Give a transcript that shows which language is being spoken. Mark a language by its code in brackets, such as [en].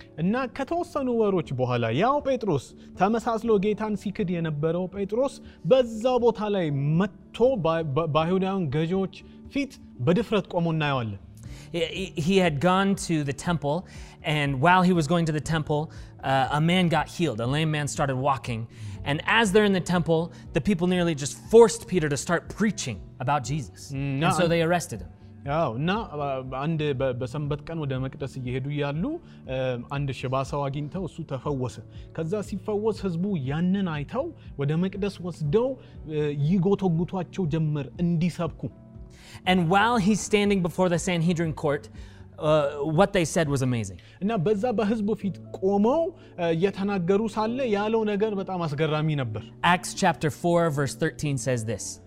[am] እና ከተወሰኑ ወሮች በኋላ ያው ጴጥሮስ ተመሳስሎ ጌታን ሲክድ የነበረው ጴጥሮስ በዛ ቦታ ላይ መጥቶ ባይሁዳውያን ገዢዎች ፊት በድፍረት ቆሞ እናየዋለን. [en] He had gone to the temple, and while he was going to the temple, a man got healed. A lame man started walking. And as they're in the temple, the people nearly just forced Peter to start preaching about Jesus. And so they arrested him. [am] አው እና አንድ በሰንበት ቀን ወደ መቅደስ እየሄዱ ያሉ አንድ ሽባ ሰው አግኝተው እሱ ተፈወሰ። ከዛ ሲፈወስ ህዝቡ ያንን አይተው ወደ መቅደስ ወስደው ይጎተጉቷቸው ጀመር እንዲሰብኩ። [en] And while he's standing before the Sanhedrin court, what they said was amazing. [am] እና በዛ በህዝቡ ፊት ቆመው የተናገሩ ሳለ ያለው ነገር በጣም አስገራሚ ነበር። [en] Acts chapter 4 verse 13 says this.